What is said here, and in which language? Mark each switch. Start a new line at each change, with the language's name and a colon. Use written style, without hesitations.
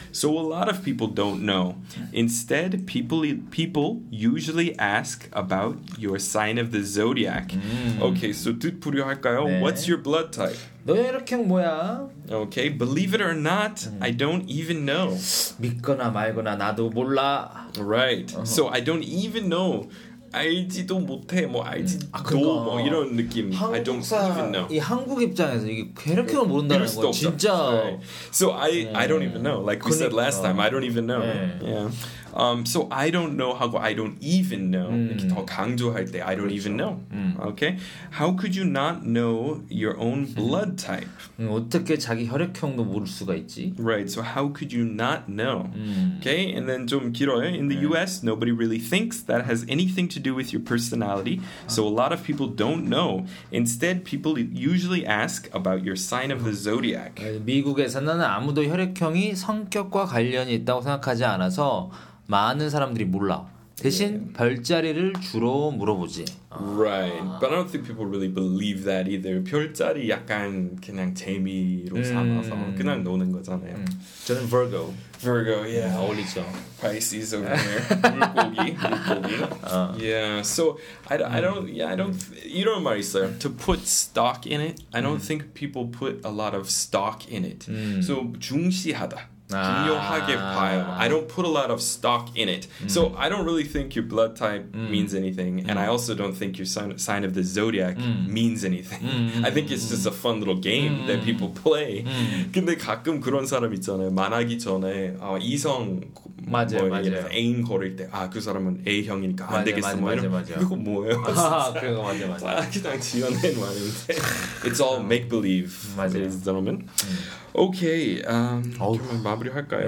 English: So a lot of people don't know. Instead, people usually ask about your sign of the zodiac. Okay, so
Korean: 뜻풀이 할까요? 네.
English: What's your blood type?
Korean: 너야 이렇게 뭐야?
English: Okay, believe it or not, I don't even know.
Korean: 믿거나 말거나 나도 몰라.
English: Right. Uh-huh. So I don't even know.
Korean: 알지도 못해. 뭐 알지도 아, 뭐 이런 느낌.
English: I don't even know.
Korean: 이 한국 입장에서 이게 괴롭게 모른다는 거 진짜.
English: Right. So I don't even know. Like
Korean: 그러니까.
English: we said last time, I don't even know. 네. Yeah. So I don't know 하고 I don't even know
Korean: 이렇게 더 강조할 때
English: I don't 그렇죠. even know okay how could you not know your own blood type
Korean: 어떻게 자기 혈액형도 모를 수가 있지
English: right so how could you not know okay and then
Korean: 좀 길어요
English: in the US nobody really thinks that has anything to do with your personality so a lot of people don't know instead people usually ask about your sign of the zodiac
Korean: 미국에서는 아무도 혈액형이 성격과 관련이 있다고 생각하지 않아서 많은 사람들이 몰라. 대신 yeah. 별자리를 주로 물어보지.
English: Right. 아. But I don't think people really believe that either.
Korean: 별자리 약간 그냥 재미로 삼아서 그냥 노는 거잖아요. 저는 Virgo.
English: Virgo, yeah.
Korean: 어울리죠.
English: Pisces over here.
Korean: 물고기. 물고기.
English: Yeah. So I don't
Korean: 이런 말 있어요.
English: To put stock in it. I don't think people put a lot of stock in it.
Korean: So 중시하다. 중요하게 봐요.
English: I don't put a lot of stock in it. So I don't really think your blood type means anything. And I also don't think your sign of the zodiac means anything. I think it's just a fun little game that people play.
Korean: 근데 가끔 그런 사람 있잖아요. 만나기 전에 이성 맞아요, 뭐 맞아요. 애인 고를 때 아 그 사람은 A형이니까 안 되겠어. 맞아요, 뭐 맞아요. 이거 뭐예요? 아, 그런 거 맞아요, 맞아요. 그냥 지어낸 말인데.
English: It's all make-believe, ladies and gentlemen.
Korean: Okay, 그러면 마무리 할까요?